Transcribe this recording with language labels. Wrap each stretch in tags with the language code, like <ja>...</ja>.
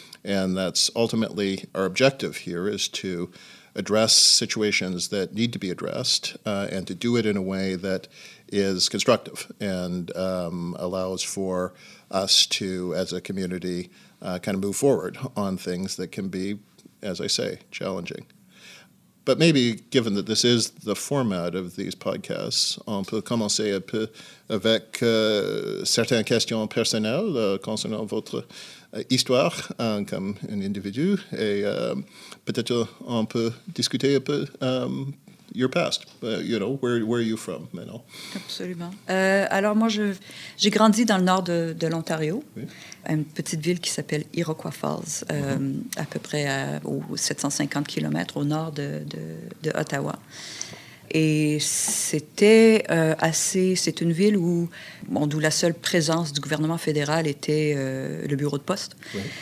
<en>And that's ultimately our objective here, is to address situations that need to be addressed and to do it in a way that is constructive and allows for us to, as a community, kind of move forward on things that can be, as I say, challenging. But maybe given that this is the format of these podcasts,</en> <fr>on peut commencer un peu avec certaines questions personnelles concernant votre histoire comme un individu, et peut-être on peut discuter un peu</fr> <en>your past. You know, where are you from, Manon?</en> <fr>Absolument. Alors moi, j'ai grandi dans le nord de l'Ontario, oui. Une petite ville qui s'appelle Iroquois Falls, à peu près aux 750 kilomètres au nord de Ottawa. Et c'était c'est une ville où, bon, d'où la seule présence du gouvernement fédéral était le bureau de poste. Oui.</fr>